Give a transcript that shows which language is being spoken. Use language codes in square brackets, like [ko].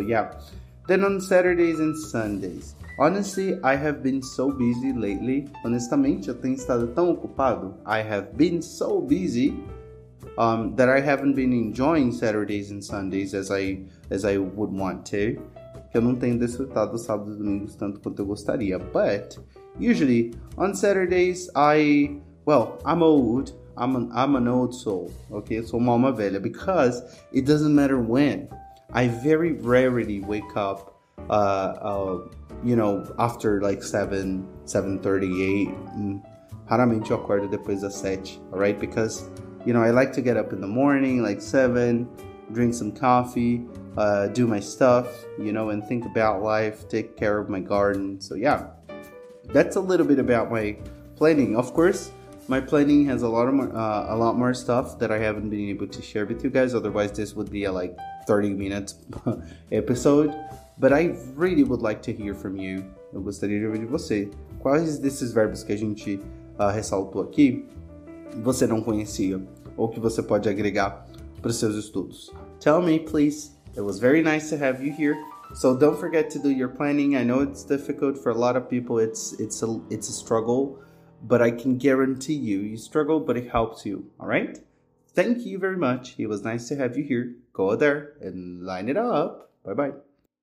[en] So yeah. Then on Saturdays and Sundays. Honestly, I have been so busy lately. [pt] Honestamente, eu tenho estado tão ocupado. [en] I have been so busy that I haven't been enjoying Saturdays and Sundays as I would want to. [pt] Que eu não tenho desfrutado sábados e domingos tanto quanto eu gostaria. [en] But usually on Saturdays, I'm old. I'm an old soul, okay? [pt] Sou uma alma velha, [en] because it doesn't matter when. I very rarely wake up, after like 7:30, 8. [pt] Raramente eu acordo depois das 7, [en] all right? Because, you know, I like to get up in the morning, like 7, drink some coffee, do my stuff, you know, and think about life, take care of my garden. So, yeah, that's a little bit about my planning, of course. My planning has a lot more stuff that I haven't been able to share with you guys. Otherwise, this would be a like 30 minutes episode. But I really would like to hear from you. [pt] Eu gostaria de ouvir de você. Quais desses verbos que a gente ressaltou aqui você não conhecia ou que você pode agregar para os seus estudos? [en] Tell me, please. It was very nice to have you here. So don't forget to do your planning. I know it's difficult for a lot of people. It's a struggle. But I can guarantee you, you struggle, but it helps you, all right? Thank you very much. It was nice to have you here. Go there and line it up. Bye-bye.